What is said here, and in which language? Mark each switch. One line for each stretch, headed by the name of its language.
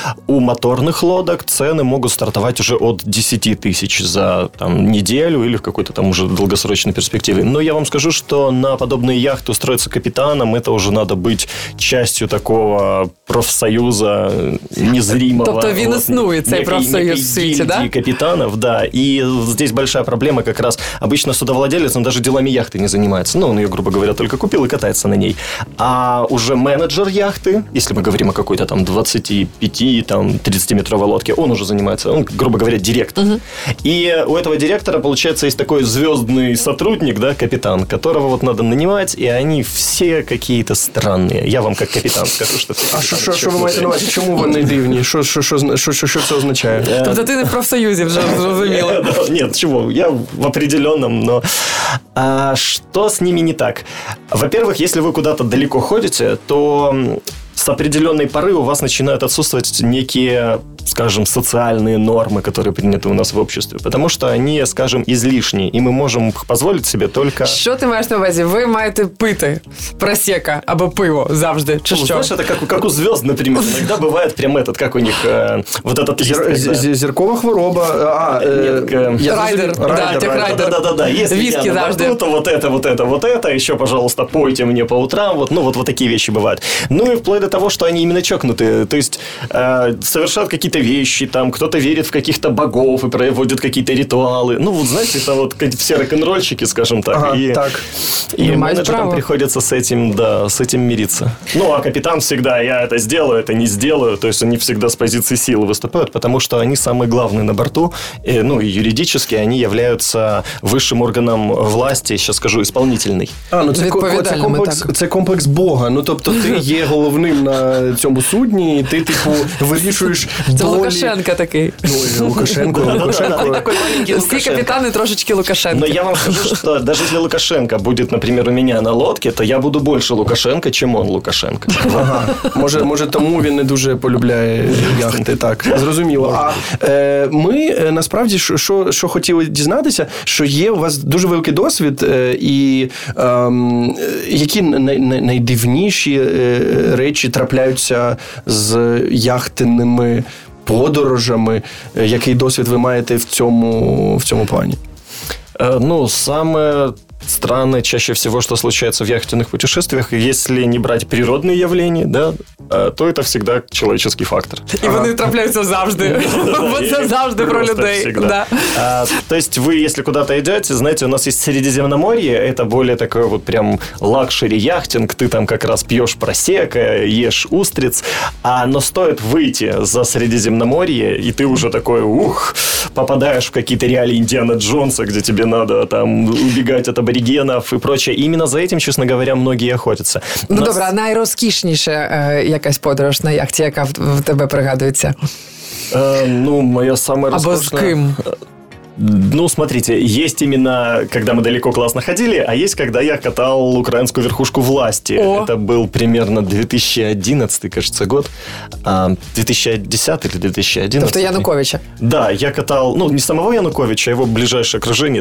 Russian: У моторных лодок цены могут стартовать уже от 10 тысяч за там, неделю или в какой-то там уже долгосрочной перспективе. Но я вам скажу, что на подобные яхты устроиться капитаном, это уже надо быть частью такого профсоюза незримого.
Ukrainian: Тобто він існує, цей профсоюз в світі, да?
Russian: Капитанов, да. И здесь большая проблема как раз. Обычно судовладелец, он даже делами яхты не занимается. Ну, он ее, грубо говоря, только купил и катается на ней. А уже менеджер яхты, если мы говорим о какой-то там 25-30-метровой лодке, он уже занимается, он, грубо говоря, директор. Угу. И у этого директора, получается, есть такой звездный сотрудник, да, капитан, которого вот надо нанимать, и они все какие-то странные. Я вам как капитан скажу, что... А что вы можете называть? Чему вы не дивные? Что это означает?
Ukrainian: Тобто
Russian: ты не в профсоюзе,
Ukrainian: уже зрозуміло.
Russian: Нет, чего? Я в определенном, но... А что с ними не так? Во-первых, если вы куда-то далеко ходите, то с определенной поры у вас начинают отсутствовать некие, скажем, социальные нормы, которые приняты у нас в обществе. Потому что они, скажем, излишние, и мы можем позволить себе только... Что ты имеешь в виду?
Ukrainian: Вы маете пити просека або пиво завжди, чи що?
Russian: Знаешь, это как у звезд, например. Иногда бывает прям этот, как у них, вот этот...
Ukrainian: Зеркова хвороба.
Russian: Райдер. Да.
Ukrainian: Виски завжди.
Russian: Вот это, еще, пожалуйста, пойте мне по утрам. Вот такие вещи бывают. Ну и вплоть до того, что они именно чокнутые. То есть совершают какие-то вещи, там кто-то верит в каких-то богов и проводит какие-то ритуалы. Ну, вот знаете, это вот все рок-н-ролльщики, скажем так. Ага, и, так. И менеджерам приходится с этим, да, с этим мириться. Ну, а капитан всегда, я это сделаю, это не сделаю. То есть они всегда с позиции силы выступают, потому что они самые главные на борту. И, ну, и юридически они являются высшим органом власти, сейчас скажу, исполнительной. А, ну, это комплекс бога.
Ukrainian: Ну, тобто
Russian: ты его
Ukrainian: головним на цьому судні, і ти, типу, вирішуєш це болі. Лукашенко такий. Ну, Лукашенко. Такий маленький Лукашенко. Всі капітани трошечки Лукашенко.
Russian: Но я вам скажу, що даже если Лукашенко будет, например, у меня на лодке, то я буду больше Лукашенко, чем он Лукашенко. Ага.
Ukrainian: Може тому він не дуже полюбляє яхти. Так, зрозуміло. А ми, насправді, що хотіли дізнатися, що є у вас дуже великий досвід, і які найдивніші речі трапляються з яхтинними подорожами. Який досвід ви маєте в цьому плані?
Russian: Ну, саме странное чаще всего, что случается в яхтенных путешествиях, если не брать природные явления, да, то это всегда человеческий фактор. И они трапляются завжди. Вот это завжди про людей. То есть вы, если куда-то идете, знаете, у нас есть Средиземноморье, это более такой вот прям лакшери яхтинг, ты там как раз пьешь просека, ешь устриц, но стоит выйти за Средиземноморье, и ты уже такой, ух, попадаешь в какие-то реалии Индиана Джонса, где тебе надо там убегать от аборигенов и прочее. И именно за этим, честно говоря, многие охотятся.
Ukrainian: Ну, добра, найрозкішніша якась подорож на яхті, яка в тебе пригадується?
Russian: Ну, моя самая роскошная...
Ukrainian: Або з ким?
Russian: Ну, смотрите, есть именно, когда мы далеко классно ходили, а есть, когда я катал украинскую верхушку власти. О. Это был примерно 2011, кажется, год. 2010 или 2011. То есть Януковича? Да, я катал, ну, не самого Януковича, а его ближайшее окружение.